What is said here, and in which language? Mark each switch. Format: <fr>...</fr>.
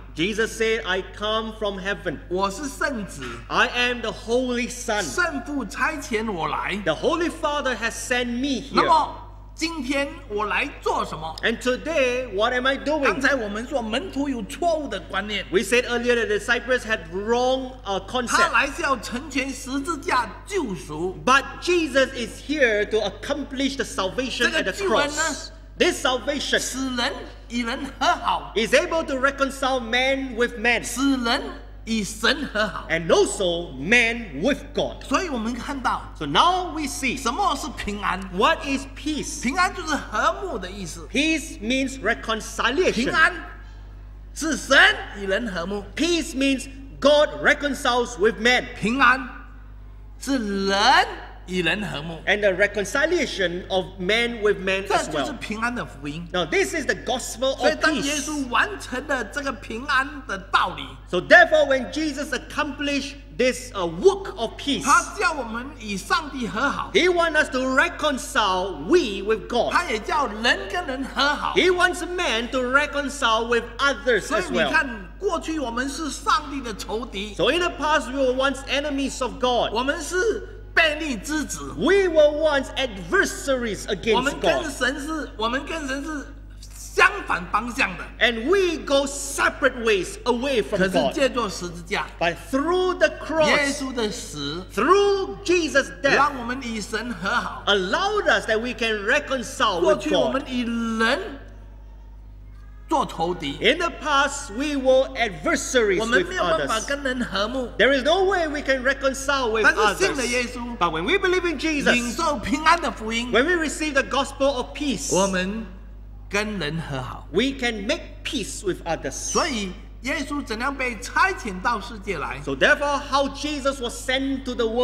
<en>Jesus said, I come from heaven.</en> <zh>我是圣子。</zh> <en>I am the Holy Son.</en> <zh>圣父差遣我来。</zh> <en>The Holy Father has sent me here.</en> <zh>那么今天我来做什么？</zh> <en>And today, what am I doing?</en> <zh>刚才我们说门徒有错误的观念。</zh> <en>We said earlier that the disciples had wrong concept.</en> <zh>他来是要成全十字架救赎。</zh> <en>But Jesus is here to accomplish the salvation at the cross. This salvation</en> <zh>使人与人和好。</zh> <en>Is able to reconcile man with man.</en> <zh>使人与神和好。</zh> <en>And also man with God.</en> <zh>所以我们看到。</zh> <en>So now we see.</en> <zh>什么是平安？</zh> <en>What is peace?</en> <zh>平安就是和睦的意思。</zh> <en>Peace means reconciliation.</en> <zh>平安是神与人和睦。</zh> <en>Peace means God reconciles with man.</en> <zh>平安是人与人和睦。</zh> <en>And the reconciliation of man with man as well.</en> <zh>这就是平安的福音。</zh> <en>Now this is the gospel of peace.</en> <zh>所以当耶稣完成了这个平安的道理。</zh> <en>So therefore when Jesus accomplished this work of peace.</en> <zh>他叫我们与上帝和好。</zh> <en>He wants us to reconcile we with God.</en> <zh>他也叫人跟人和好。</zh> <en>He wants man to reconcile with others as well.</en> <zh>所以你看过去我们是上帝的仇敌。</zh> <en>So in the past we were once enemies of God.</en> <zh>我们是悖逆之子。</zh> <en>We were once adversaries against God.</en> <zh>我们跟神是相反方向的。</zh> <en>And we go separate ways away from God.</en> <zh>可是借着十字架。</zh> <en>But through the cross.</en> <zh>耶稣的死。</zh> <en>Through Jesus' death.</en> <zh>让我们与神和好。</zh> <en>Allowed us that we can reconcile with God.</en> <zh>过去我们与人做仇敌。</zh> <en>In the past, we were adversaries with others.</en> <zh>我们没有办法跟人和睦。</zh> <en>There is no way we can reconcile with others.</en> <zh>但是信了耶稣。</zh> <en>But when we believe in Jesus,</en> <zh>领受平安的福音。</zh> <en>When we receive the gospel of peace,</en> <zh>我们跟人和好。</zh> <en>We can make peace with others.</en> <zh>所以耶稣怎样被差遣到世界来。</zh> <en>So therefore, how Jesus was sent to the world.</en>